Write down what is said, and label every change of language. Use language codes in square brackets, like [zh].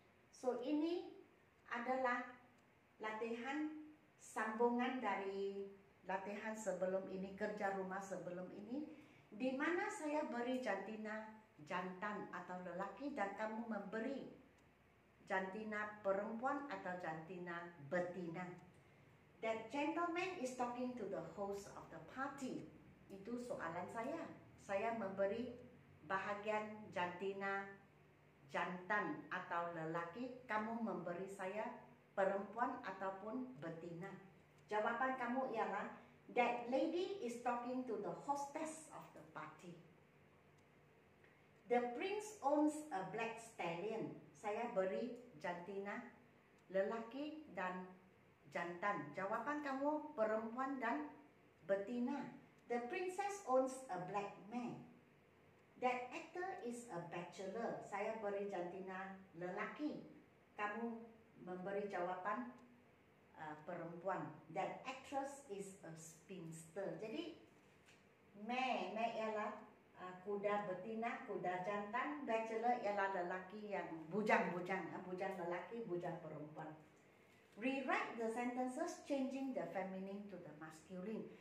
[ms] So ini adalah latihan sambungan dari latihan sebelum ini, kerja rumah sebelum ini, di mana saya beri jantina jantan atau lelaki dan kamu memberi jantina perempuan atau jantina betina. [en] That gentleman is talking to the host of the party. [ms] Itu soalan saya. Saya memberi bahagian jantina jantan atau lelaki, kamu memberi saya perempuan ataupun betina. Jawapan kamu ialah, [en] that lady is talking to the hostess of the party. The prince owns a black stallion. [ms] Saya beri jantina lelaki dan jantan. Jawapan kamu perempuan dan betina. [en] The princess owns a black man. That actor is a bachelor. [ms] Saya beri jantina lelaki. Kamu memberi jawapan perempuan. [en] That actress is a spinster. [ms] Jadi me ialah kuda betina, kuda jantan. Bachelor ialah lelaki yang bujang-bujang, bujang lelaki, bujang perempuan. [en] Rewrite the sentences changing the feminine to the masculine.